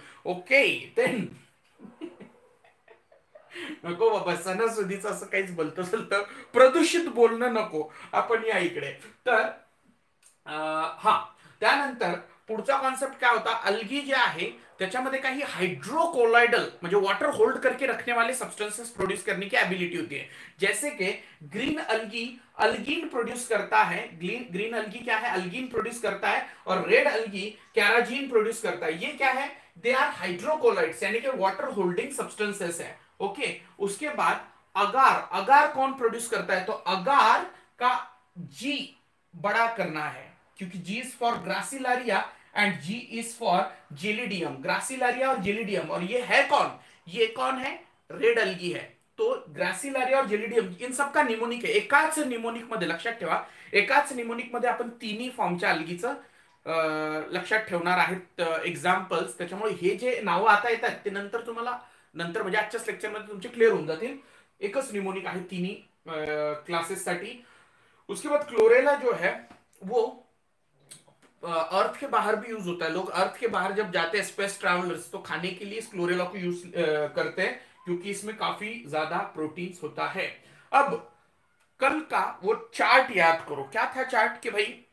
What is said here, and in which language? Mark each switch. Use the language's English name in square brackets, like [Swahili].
[Marathi] Okay, then नको बाबा सणासुदीचं असं काहीच बोलतो चलतं, प्रदूषित बोलणं नको आपण या इकडे. तर हा, त्यानंतर पुढचा कॉन्सेप्ट काय होता, अल्गी जे आहे त्याच्यामध्ये काही हायड्रोकोलॉइडल म्हणजे [Hindi] वॉटर होल्ड करके रखने वाले सबस्टन्सेस प्रोड्यूस करने की ॲबिलिटी [Marathi] होती आहे. [Hindi] जैसे की ग्रीन अल्गी अल्गीन प्रोड्यूस करता है, ग्रीन अल्गी क्या है, अल्गीन प्रोड्यूस करता है, और रेड अल्गी कैराजीन प्रोड्यूस करता है. ये क्या है, [English] they are hydrocolloids, [Hindi] यानी कि वॉटर होल्डिंग सब्सटेंसेस है. ओके, उसके बाद अगार, अगार कौन प्रोड्यूस करता है, तो अगार का जी बड़ा करना है, क्योंकि [English] G is for gracilaria and G is for gelidium. [Hindi] ग्रासिलारिया और जेलिडियम, और ये है कौन, ये कौन है, रेड अल्गी है. [Marathi] तो ग्रासिलारिया और जेलिडियम इन सबका निमोनिक है, एकाच निमोनिक मध्ये, लक्षात ठेवा, एकाच निमोनिक मध्ये आपण तिन्ही फॉर्मच्या अल्गीचं लक्षात ठेवणार आहेत एक्झाम्पल्स. त्याच्यामुळे हे जे नावं आता येतात ते नंतर तुम्हाला, नंतर म्हणजे आजच्याच लेक्चरमध्ये तुमचे क्लिअर होऊन जातील. एकच निमोनिक आहे तिन्ही क्लासेससाठी. [Hindi] उसके बाद क्लोरेला जो है वो अर्थ के बाहर भी यूज होता है. लोग अर्थ के बाहर जब जाते हैं स्पेस ट्रैवलर्स, तो खाने के लिए इस क्लोरेला को यूज करते हैं, क्योंकि इसमें काफी ज्यादा प्रोटीन्स होता है. अब कल का वो चार्ट याद करो, क्या था चार्ट, कि भाई